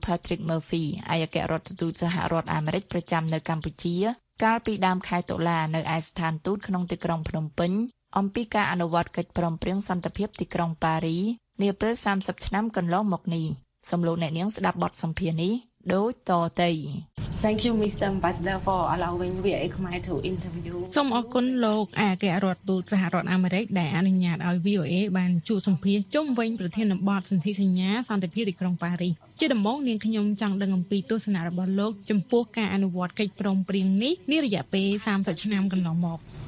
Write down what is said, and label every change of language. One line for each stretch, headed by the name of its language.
Khmer: Patrick Murphy អគ្គរដ្ឋទូតសហរដ្ឋអាមេរិកប្រចាំនៅកម្ពុជាកាលពីដើមខែតុលានៅឯស្ថានទូតក្នុងទីក្រុងភ្នំពេញអំពីការអនុវត្តកិច្ចព្រមព្រៀងសន្តិភាពទីក្រុងប៉ារីនាពេល30ឆ្នាំកន្លងមកនេះសំលោកអ្នកនាងស្ដាប់បទសម្ភាសនេះដូចតទៅ
English: Thank you Mr. Ambassador for allowing VOA Khmer to interview you
Khmer: សូមអរគុណលោកអគ្គរដ្ឋទូតសហរដ្ឋអាមេរិកដែលអនុញ្ញាតឲ្យ VOA បានជួបសម្ភាសន៍ជុំវិញប្រធានបទសន្ធិសញ្ញាសន្តិភាពទីក្រុងប៉ារីសជាដំបូងនាងខ្ញុំចង់ដឹងអំពីទស្សនៈរបស់លោកចំពោះការអនុវត្តកិច្ចព្រមព្រៀងនេះនារយៈពេល30ឆ្នាំកន្លងមក